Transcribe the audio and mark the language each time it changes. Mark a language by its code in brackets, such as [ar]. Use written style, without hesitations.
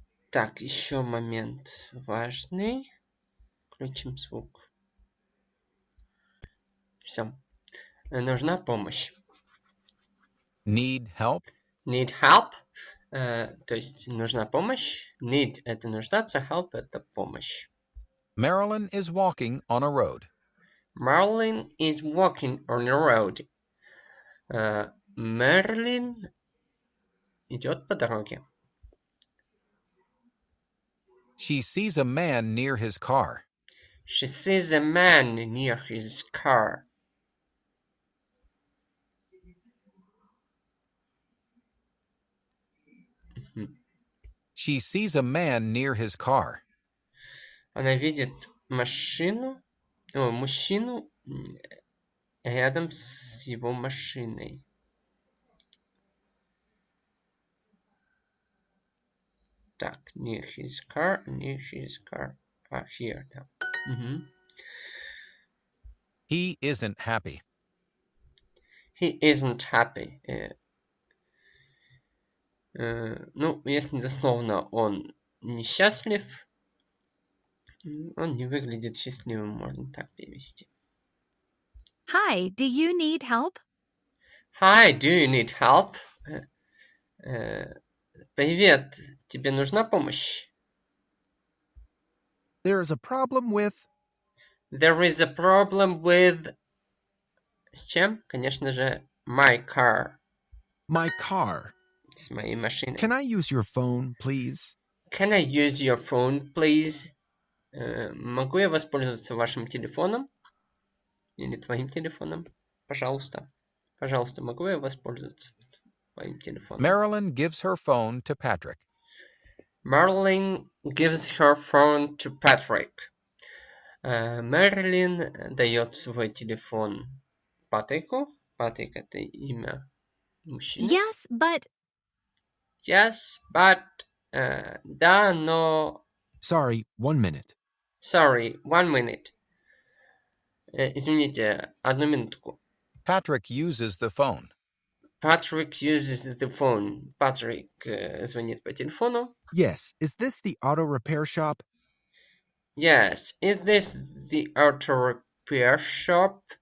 [ru] Так, еще момент важный. Включим звук. Все. Нужна помощь. [en] Need help? Need help. [ru] То есть нужна помощь. Need – это нуждаться, help – это помощь. [en] Marilyn is walking on a road. Marilyn is walking on a road. [ru] Marilyn идет по дороге. [en] She sees a man near his car. She sees a man near his car. She sees a man near his car. [ru] Она видит машину. О, мужчину рядом с его машиной. Так, [en] near his car, near his car. Ah, here, да. He isn't happy. He isn't happy. [ru] Ну, если дословно, он несчастлив. Он не выглядит счастливым, можно так перевести. [en] Hi, do you need help? Hi, do you need help? [ru] Привет, тебе нужна помощь? [en] There is a problem with... There is a problem with... [ru] С чем? Конечно же, [en] my car. My car. [ru] С моей машиной. [en] Can I use your phone, please? Can I use your phone, please? [ru] Могу я воспользоваться вашим телефоном? Или твоим телефоном? Пожалуйста. Пожалуйста, могу я воспользоваться твоим телефоном? [en] Marilyn gives her phone to Patrick. Marilyn gives her phone to Patrick. [ru] Marilyn дает свой телефон Патрику. Патрик – это имя мужчины. [en] Yes, but... Yes, but... [ru] да, но... [en] Sorry, one minute. Sorry, one minute. [ru] Извините, одну минутку. [en] Patrick uses the phone. Patrick uses the phone. [ru] Patrick звонит по телефону. [en] Yes, is this the auto repair shop? Yes, is this the auto repair shop?